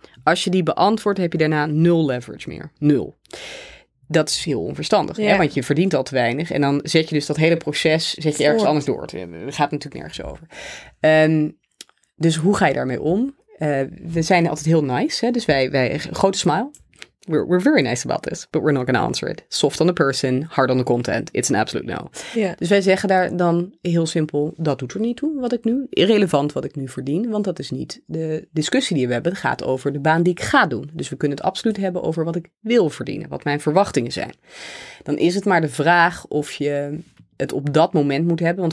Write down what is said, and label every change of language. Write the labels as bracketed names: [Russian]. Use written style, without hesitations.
[Dutch] Als je die beantwoordt, heb je daarna nul leverage meer. Nul. Dat is heel onverstandig. [English] Yeah. [Dutch] Hè? Want je verdient al te weinig. En dan zet je dus dat hele proces zet je ergens anders door. Daar gaat natuurlijk nergens over. Dus hoe ga je daarmee om? We zijn altijd heel nice. Hè? Dus wij grote smile. [English] We're very nice about this, but we're not going to answer it. Soft on the person, hard on the content. It's an absolute no. Yeah. [Dutch] Dus wij zeggen daar dan heel simpel, dat doet er niet toe wat ik nu, irrelevant wat ik nu verdien. Want dat is niet de discussie die we hebben. Het gaat over de baan die ik ga doen. Dus we kunnen het absoluut hebben over wat ik wil verdienen. Wat mijn verwachtingen zijn. Dan is het maar de vraag of je het op dat moment moet hebben.